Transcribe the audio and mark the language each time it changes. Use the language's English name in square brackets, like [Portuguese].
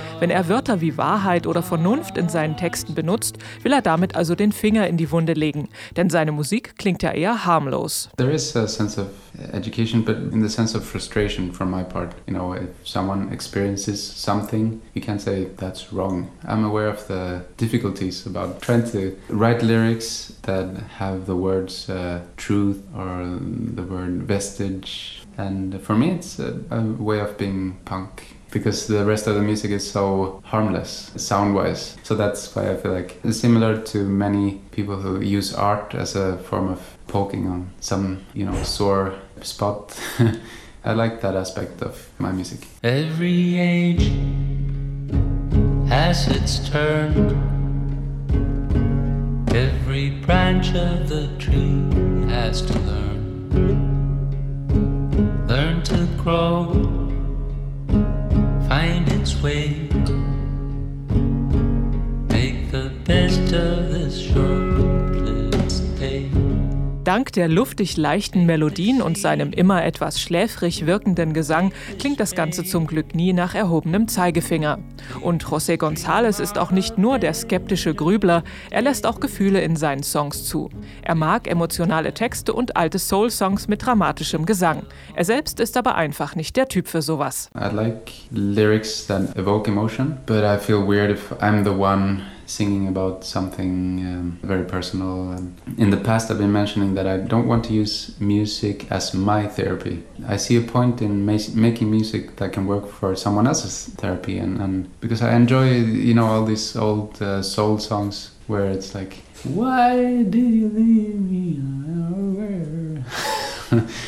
[German] Wenn er Wörter wie Wahrheit oder Vernunft in seinen Texten benutzt, will er damit also den Finger in die Wunde legen. Denn seine Musik klingt ja eher harmlos. [English] There is a sense of education, but in the sense of frustration from my part. You know, if someone experiences something, you can't say that's wrong. I'm aware of the difficulties about trying to write lyrics that have the words truth or the word vestige. And for me, it's a way of being punk, because the rest of the music is so harmless, sound-wise. So that's why I feel like it's similar to many people who use art as a form of poking on some, you know, sore spot. I like that aspect of my music. Every age as it's turned. Every branch of the tree has to learn, learn to grow, find its way, make the best of this short-lived day. [German] Dank der luftig leichten Melodien und seinem immer etwas schläfrig wirkenden Gesang klingt das Ganze zum Glück nie nach erhobenem Zeigefinger. Und José González ist auch nicht nur der skeptische Grübler, er lässt auch Gefühle in seinen Songs zu. Er mag emotionale Texte und alte Soul-Songs mit dramatischem Gesang. Er selbst ist aber einfach nicht der Typ für sowas. [English] I like lyrics that evoke emotion, but I feel weird if I'm the one singing about something very personal. And in the past I've been mentioning that I don't want to use music as my therapy. I see a point in making music that can work for someone else's therapy, and because I enjoy, you know, all these old soul songs where it's like, why did you leave me over?